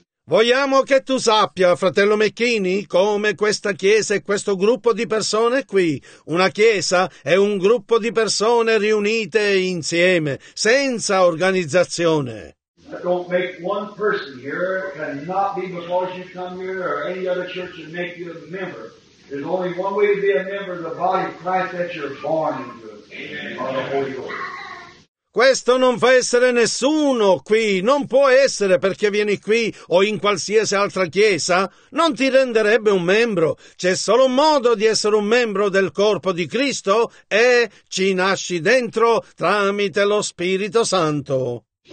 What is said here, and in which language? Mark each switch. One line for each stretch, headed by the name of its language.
Italian: Vogliamo che tu sappia, fratello McKinney, come questa chiesa e questo gruppo di persone qui. Una chiesa è un gruppo di persone riunite insieme, senza organizzazione.
English: Don't make one person here. It cannot be because you come here or any other church and make you a member. There's only one way to be a member of the body of Christ that you're born into. Amen. By the Holy Ghost.
Italian: Questo non fa essere nessuno qui, non può essere perché vieni qui o in qualsiasi altra chiesa, non ti renderebbe un membro. C'è solo un modo di essere un membro del corpo di Cristo e ci nasci dentro tramite lo Spirito Santo.